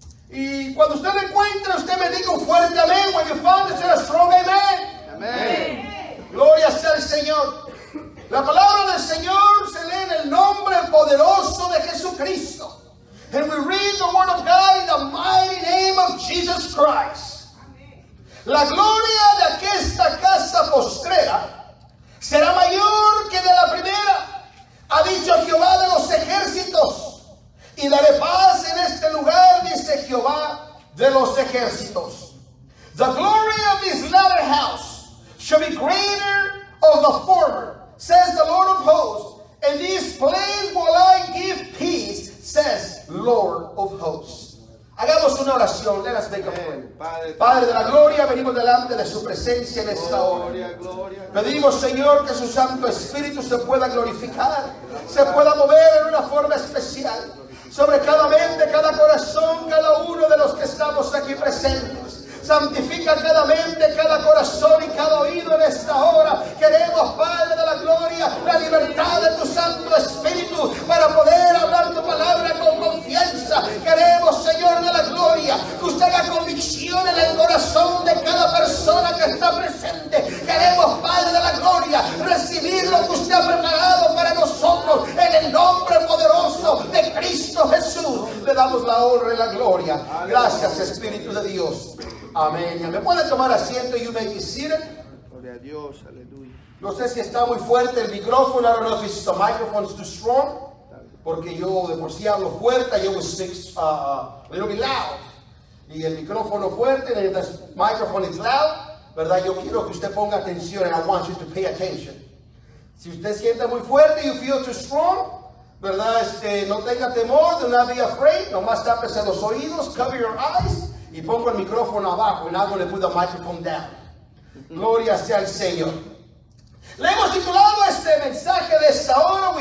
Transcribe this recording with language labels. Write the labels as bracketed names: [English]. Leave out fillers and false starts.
[Spanish] Y cuando usted lo encuentre, usted me diga un fuerte amén. [English] When you find it, say a strong amen. [Spanish] Amén. Gloria sea al Señor. La palabra del Señor se lee en el nombre poderoso de Jesucristo. [English] And we read the word of God in the mighty name of Jesus Christ. [Spanish] La gloria de aquesta casa postrera será mayor que de la primera, ha dicho Jehová de los ejércitos, y daré paz en este lugar, dice Jehová de los ejércitos. [English] The glory of this latter house shall be greater of the former, says the Lord of hosts, and this place will I give peace, says Lord of hosts. [Spanish] Hagamos una oración. [English] Let us make a prayer. [Spanish] Padre de la gloria, venimos delante de su presencia en esta hora. Pedimos, Señor, que su Santo Espíritu se pueda glorificar, se pueda mover en una forma especial sobre cada mente, cada corazón, cada uno de los que estamos aquí presentes. Santifica cada mente, cada corazón y cada oído en esta hora. Queremos, Padre de la gloria, la libertad de tu Santo Espíritu para poder hablar tu palabra con confianza. Queremos, Señor de la gloria, que usted haga convicción en el corazón de cada persona que está presente. Queremos, Padre de la gloria, recibir lo que usted ha preparado para nosotros en el nombre poderoso de Cristo Jesús. Le damos la honra y la gloria. Gracias, Espíritu de Dios. Amén. ¿Me puede tomar asiento? [English] You may be seated. [Spanish] Gloria a Dios. Aleluya. No sé si está muy fuerte el micrófono. [English] I don't know if it's the microphone is too strong. [Spanish] Porque yo de por sí hablo fuerte. Yo [English] will speak a little bit loud. [Spanish] Y el micrófono fuerte. [English] And the microphone is loud. [Spanish] ¿Verdad? Yo quiero que usted ponga atención. [English] And I want you to pay attention. [Spanish] Si usted siente muy fuerte, [English] you feel too strong. [Spanish] ¿Verdad? No tenga temor. [English] Do not be afraid. [Spanish] Nomás tápese los oídos. [English] Cover your eyes. [Spanish] Y pongo el micrófono abajo. [English] And I'm going to put the microphone down. [Spanish] Gloria sea al Señor. Le hemos titulado este mensaje de esta hora.